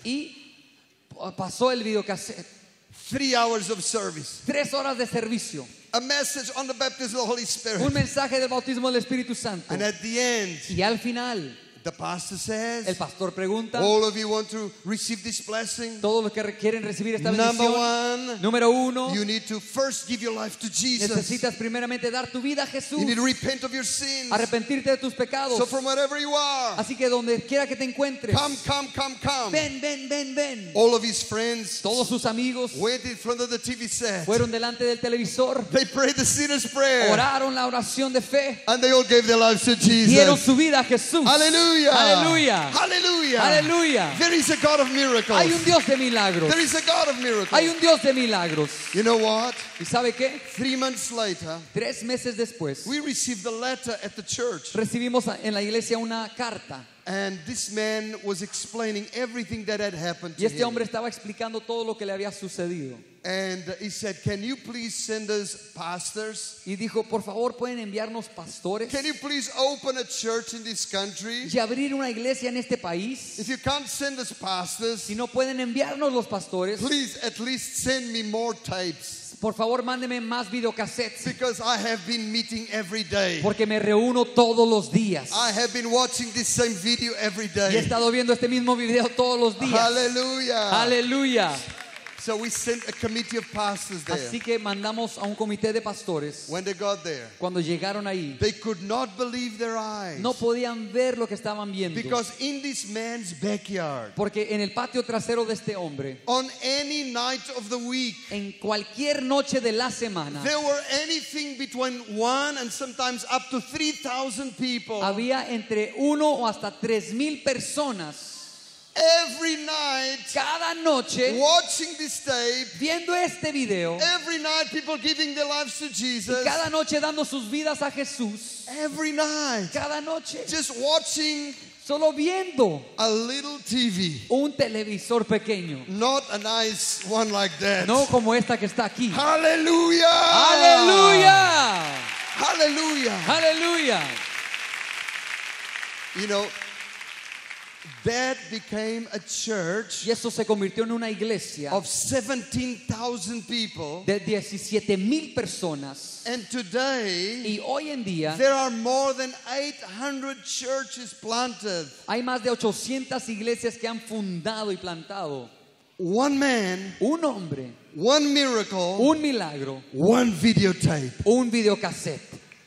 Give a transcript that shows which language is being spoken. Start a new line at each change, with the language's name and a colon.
Spanish: Y pasó el videocassette.
English: 3 hours of service.
Spanish: 3 horas de servicio.
English: A message on the baptism of the Holy Spirit.
Spanish: Un mensaje del bautismo del Espíritu Santo.
English: And at the end,
Spanish: y al final,
English: the pastor says,
Spanish: el pastor pregunta,
English: all of you want to receive this blessing.
Spanish: Todos los que quieren recibir esta bendición.
English: Number one,
Spanish: número uno,
English: you need to first give your life to Jesus.
Spanish: Necesitas primeramente dar tu vida a Jesús.
English: You need to repent of your sins.
Spanish: Arrepentirte de tus pecados.
English: So from wherever you are,
Spanish: así que donde quiera que te encuentres,
English: come.
Spanish: Ven.
English: All of his friends,
Spanish: todos sus amigos,
English: went in front of the TV set.
Spanish: Fueron delante del televisor.
English: They prayed the sinner's prayer.
Spanish: Oraron la oración de fe.
English: And they all gave their lives to Jesus.
Spanish: Dieron su vida a Jesús.
English: Hallelujah.
Spanish: Hallelujah.
English: Hallelujah.
Spanish: Hallelujah.
English: There is a God of miracles.
Spanish: Hay un Dios de milagros.
English: There is a God of miracles.
Spanish: Hay un Dios de milagros.
English: You know what?
Spanish: ¿Y sabe qué?
English: 3 months later,
Spanish: 3 meses después,
English: we received a letter at the church.
Spanish: Recibimos en la iglesia una carta.
English: And this man was explaining everything that had happened to him.
Spanish: Y este hombre estaba explicando todo lo que le había sucedido.
English: And he said, "Can you please send us pastors?"
Spanish: Y dijo, por favor, pueden enviarnos pastores.
English: Can you please open a church in this country?
Spanish: Y abrir una iglesia en este país.
English: If you can't send us pastors,
Spanish: si no pueden enviarnos los pastores,
English: please at least send me more tapes.
Spanish: Por favor, mándeme más videocassettes.
English: Because I have been meeting every day.
Spanish: Porque me reúno todos los días.
English: I have been watching this same video every day.
Spanish: Y he estado viendo este mismo video todos los días.
English: Hallelujah.
Spanish: Hallelujah.
English: So we sent a committee of pastors there.
Spanish: Así que mandamos a un comité de pastores.
English: When they got there,
Spanish: cuando llegaron ahí,
English: they could not believe their eyes.
Spanish: No podían ver lo que estaban viendo.
English: Because in this man's backyard,
Spanish: porque en el patio trasero de este hombre,
English: on any night of the week,
Spanish: en cualquier noche de la semana,
English: there were anything between 1,000 and sometimes up to 3,000 people.
Spanish: Había entre 1,000 o hasta 3,000 personas.
English: Every night,
Spanish: cada noche,
English: watching this tape,
Spanish: viendo este video,
English: every night people giving their lives to Jesus,
Spanish: y cada noche dando sus vidas a Jesús,
English: every night,
Spanish: cada noche,
English: just watching,
Spanish: solo viendo,
English: a little TV,
Spanish: un televisor pequeño,
English: not a nice one like that,
Spanish: no como esta que está aquí.
English: Hallelujah!
Spanish: Hallelujah!
English: Hallelujah!
Spanish: Hallelujah!
English: You know, That became a church
Spanish: y eso se convirtió en una iglesia
English: of 17,000 people
Spanish: de 17,000 personas.
English: And today
Spanish: y hoy en día,
English: there are more than 800 churches planted.
Spanish: Hay más de 800 iglesias que han fundado y plantado.
English: One man,
Spanish: un hombre,
English: one miracle,
Spanish: un milagro,
English: one videotape,
Spanish: un videocassette.